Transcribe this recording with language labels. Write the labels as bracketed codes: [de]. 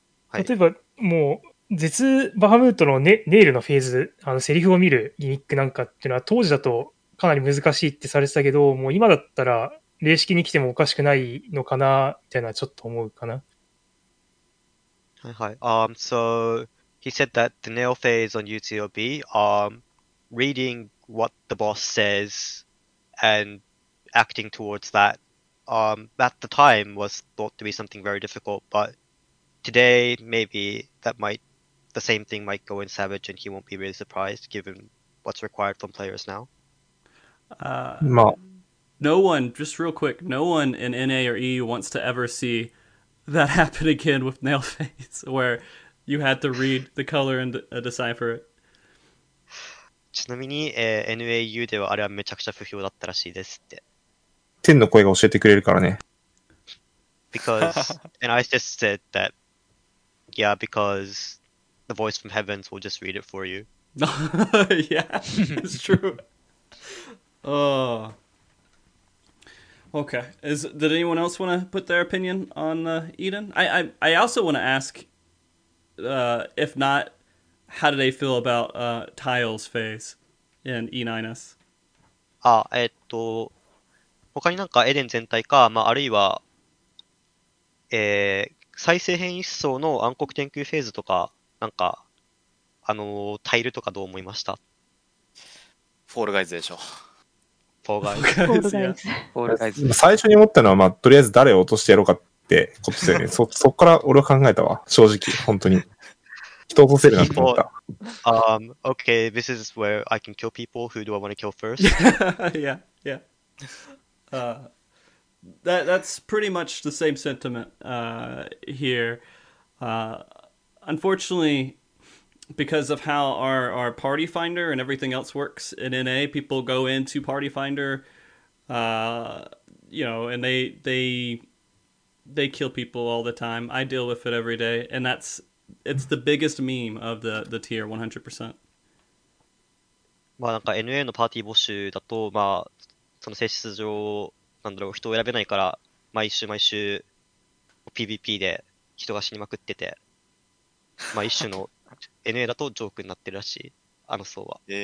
[ja] はい。例えば、もう、絶バハムートの ネイルのフェーズ、あのセリフを見るギミックなんかっていうのは当時だとかなり難しいってされてたけど、もう今だったら礼式に来てもおかしくないのかなみたいなちょっと思うかな。はいはい。 [en] So he said that the nail phase on UTOB, reading what the boss says and acting towards that, at the time was thought to be something very difficult, but today maybe that might. The same thing might go in Savage and he won't be really surprised given what's required from players now. No one, just real quick, no one in NA or EU wants to ever see that happen again with Nail Face, where you had to read the color and decipher it. [ja] ちなみに、NAU ではあれはめちゃくちゃ不評だったらしいですって。天の声が教えてくれるからね。 [en] Because, and I just said that, yeah, becauseThe voice from heavens will just read it for you. Yeah, it's true. Okay. Did anyone else want to put their opinion on Eden? I also want to ask, if not, how do they feel about Tile's phase in E9S? [ja] Ah, 他になんかエデン全体か、まあ、あるいは、再生変異思想の暗黒天空フェーズとか、なんかあのタイルとかどう思いました？フォールガイズでしょ。フォールガイズ。フォールガイズ。最初に思ったのはまあとりあえず誰を落としてやろうかってことですよね。そこから俺は考えたわ。正直本当に人を落とせるなって思った。 [en] Okay, this is where I can kill people. Who do I want to kill first? yeah. That's pretty much the same sentiment here. Unfortunately, because of how our Party Finder and everything else works in NA, people go into Party Finder, and they kill people all the time. I deal with it every day, and it's the biggest meme of the tier 100%. [ja] まあなんか NA のパーティー募集だとまあその性質上なんだろう人を選べないから毎週毎週 PVP で人が死にまくってて、まあ一種の NA だとジョークになってるらしい、あの層は。